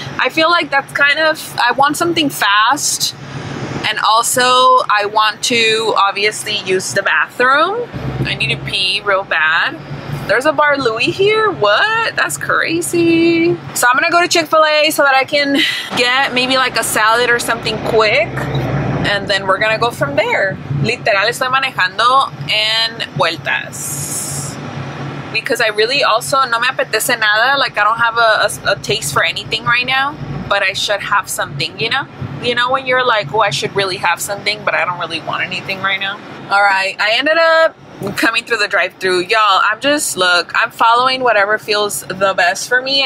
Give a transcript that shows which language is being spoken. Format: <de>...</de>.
<en>I feel like that's kind of, I want something fast, and also I want to obviously use the bathroom. I need to pee real bad. There's a Bar Louie here. What? That's crazy. So I'm gonna go to Chick-fil-A so that I can get maybe like a salad or something quick, and then we're gonna go from there.</en> <es>Literal, estoy manejando en vueltas.</es> <en>Because I really also,</en> <es>no me apetece nada.</es> <en>Like, I don't have a taste for anything right now, but I should have something, you know? You know when you're like, oh, I should really have something, but I don't really want anything right now? All right, I ended up coming through the drive-thru. Y'all, I'm just, look, I'm following whatever feels the best for me.</en>